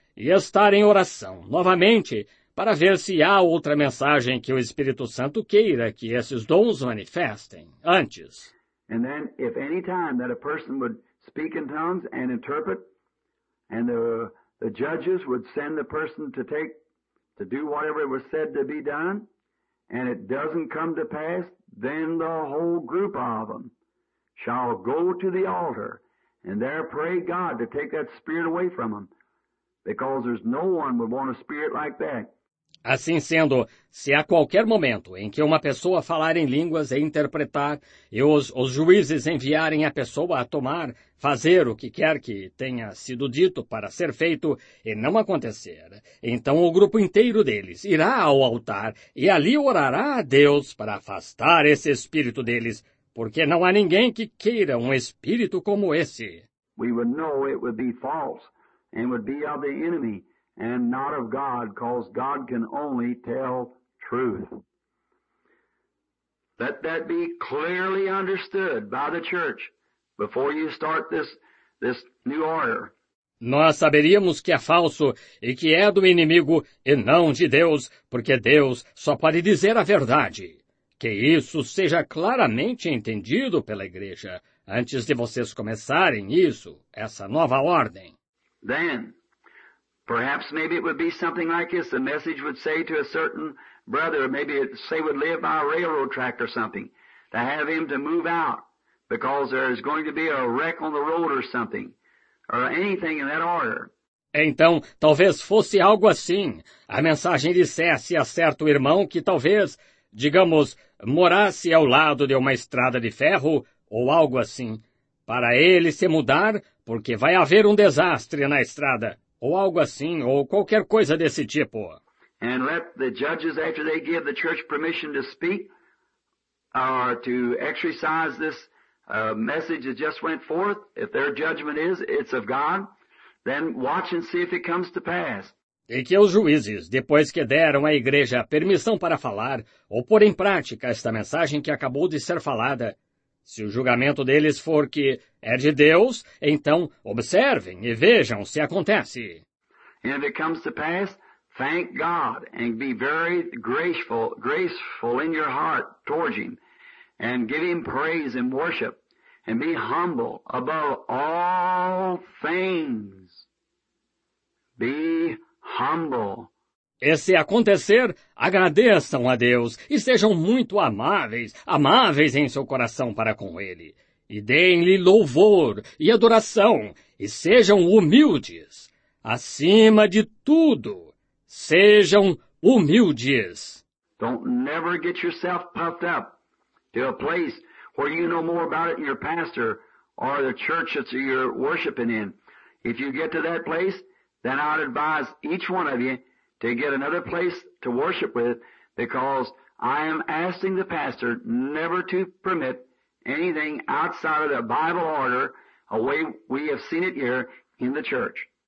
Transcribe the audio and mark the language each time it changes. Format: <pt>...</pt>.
<pt>e estar em oração novamente para ver se há outra mensagem que o Espírito Santo queira que esses dons manifestem antes.</pt> <en>And then if any time that a person would speak in tongues and interpret, and the judges would send the person to take to do whatever was said to be done, and it doesn't come to pass, then the whole group of them shall go to the altar and there pray God to take that spirit away from them, because there's no one would want a spirit like that.</en> <pt>Assim sendo, se há qualquer momento em que uma pessoa falar em línguas e interpretar, e os juízes enviarem a pessoa a tomar, fazer o que quer que tenha sido dito para ser feito e não acontecer, então o grupo inteiro deles irá ao altar e ali orará a Deus para afastar esse espírito deles, porque não há ninguém que queira um espírito como esse.</pt> <en>We would know it would be false and would be of the enemy. And not of God, because God can only tell truth. Let that be clearly understood by the church before you start this new order.</en> <pt>Nós saberíamos que é falso e que é do inimigo e não de Deus, porque Deus só pode dizer a verdade. Que isso seja claramente entendido pela igreja antes de vocês começarem isso, essa nova ordem.</pt> <en>Then, perhaps maybe it would be something like this. The message would say to a certain brother, maybe it say would live by a railroad track or something, to have him to move out because there is going to be a wreck on the road or something, or anything in that order.</en> <pt>Então, talvez fosse algo assim. A mensagem dissesse a certo irmão que talvez, digamos, morasse ao lado de uma estrada de ferro ou algo assim, para ele se mudar porque vai haver um desastre na estrada. Ou algo assim, ou qualquer coisa desse tipo.</pt> <en>And let the judges, after they give the church permission to speak, to exercise this message that just went forth, if their judgment is, it's of God, then watch and see if it comes to pass.</en> <pt>E que os juízes, depois que deram à igreja permissão para falar, ou pôr em prática esta mensagem que acabou de ser falada, se o julgamento deles for que é de Deus, então observem e vejam se acontece.</pt> <en>And if it comes to pass, thank God and be very graceful in your heart towards him and give him praise and worship and be humble above all things. Be humble.</en> <pt>E se acontecer, agradeçam a Deus e sejam muito amáveis em seu coração para com Ele. E deem-lhe louvor e adoração e sejam humildes. Acima de tudo, sejam humildes.</pt> <en>Don't never get yourself puffed up to a place where you know more about it than your pastor or the church that you're worshiping in. If you get to that place, then I'd advise each one of you to get another place to worship with, because I am asking the pastor never to permit anything outside of the Bible order, a way we have seen it here in the church.</en>